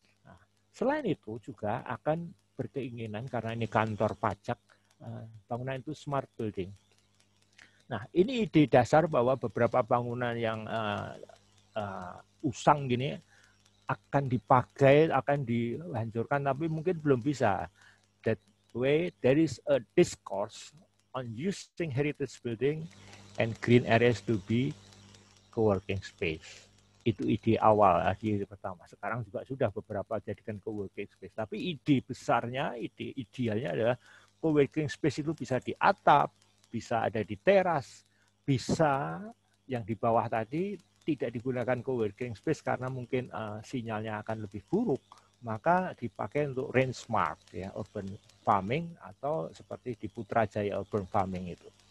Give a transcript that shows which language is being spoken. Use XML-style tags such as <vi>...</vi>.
<id>Nah, selain itu juga akan berkeinginan karena ini kantor pajak, bangunan itu smart building. Nah, ini ide dasar bahwa beberapa bangunan yang usang gini akan dipakai, akan dihancurkan, tapi mungkin belum bisa.</id> <en>That way there is a discourse on using heritage building and green areas to be co-working space.</en> <id>Itu ide awal, ide pertama. Sekarang juga sudah beberapa jadikan co-working space. Tapi ide besarnya, ide idealnya adalah co-working space itu bisa di atap, bisa ada di teras, bisa yang di bawah tadi tidak digunakan co-working space karena mungkin sinyalnya akan lebih buruk, maka dipakai untuk rain smart, ya, urban farming atau seperti di Putrajaya urban farming itu.</id>